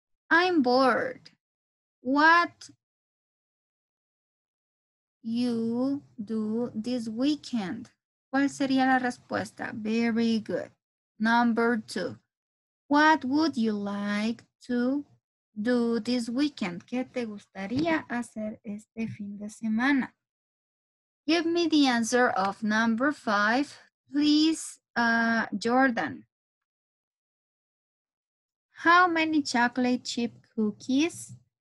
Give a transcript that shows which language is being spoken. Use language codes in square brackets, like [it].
[en] I'm bored. What you do this weekend? [es] ¿Cuál sería la respuesta? [en] Very good. Number two. What would you like to do this weekend? [es] ¿Qué te gustaría hacer este fin de semana? [en] Give me the answer of number five, please, Jordan. How many chocolate chip cookies?